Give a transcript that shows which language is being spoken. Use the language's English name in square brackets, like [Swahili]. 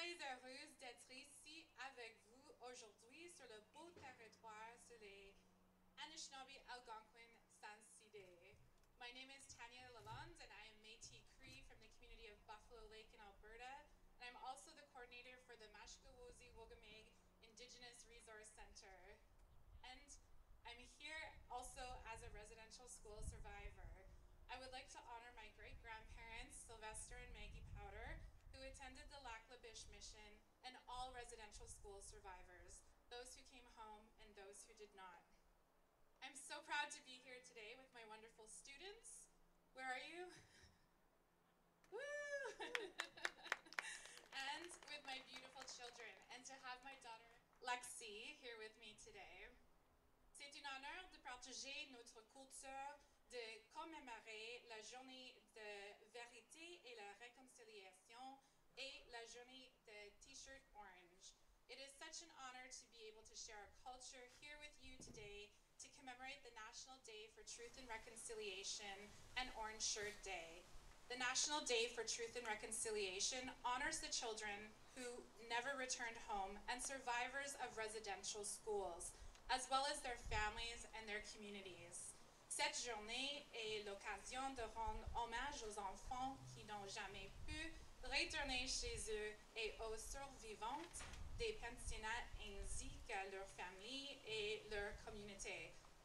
[French] Heureuse d'être ici avec vous aujourd'hui sur le beau territoire, sur les Anishinaabe Algonquin Sans Cité. [English] My name is Tania Lalonde, and I am Métis Cree from the community of Buffalo Lake in Alberta, and I'm also the coordinator for the Mashkawozi Wogameg Indigenous Resource Center. And I'm here also as a residential school survivor. I would like to honor my great-grandparents, Sylvester and Maggie Powder, who attended the Lac La Biche Mission, and all residential school survivors, those who came home and those who did not. I'm so proud to be here today with my wonderful students. Where are you? Woo! And with my beautiful children, and to have my daughter Lexi here with me today. [French] C'est un honneur de partager notre culture, de commémorer la journée de vérité et la réconciliation, et la journée de T-shirt orange. [English] It is such an honor to be able to share our culture here with you today to commemorate the National Day for Truth and Reconciliation and Orange Shirt Day. The National Day for Truth and Reconciliation honors the children who never returned home and survivors of residential schools, as well as their families and their communities. [French] Cette journée est l'occasion de rendre hommage aux enfants qui n'ont jamais pu retourner chez eux et aux survivantes des pensionnats ainsi qu'à leur famille et leur communauté.